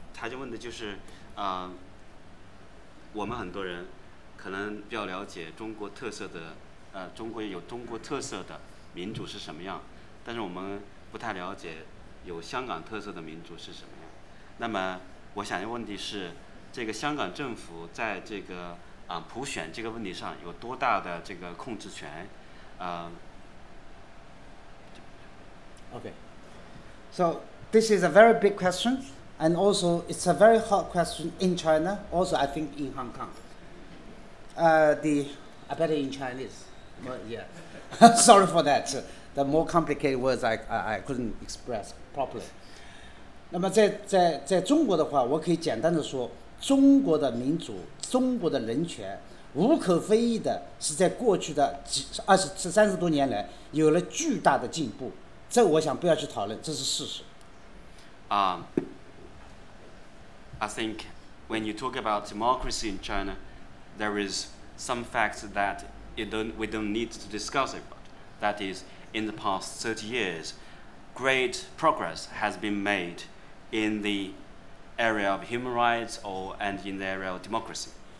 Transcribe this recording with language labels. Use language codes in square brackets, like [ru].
[zh] 他就问的就是， 我们很多人可能比较了解中国特色的， 中国有中国特色的民主是什么样， 但是我们不太了解有香港特色的民主是什么样。那么我想的问题是， 这个香港政府在这个， 普选这个问题上有多大的这个控制权。 [en] Okay. So this is a very big question, and also it's a very hot question in China, also I think in Hong Kong. I better in Chinese, but yeah. Sorry for that. The more complicated words I couldn't express properly. [zh] 那么在中国的话，我可以简单的说，中国的民主、中国的人权，无可非议的是在过去的二十、三十多年来有了巨大的进步，这我想不要去讨论，这是事实。 [en] I think when you talk about democracy in China, there is some facts that we don't need to discuss it. But that is, in the past 30 years, great progress has been made in the area of human rights and in the area of democracy.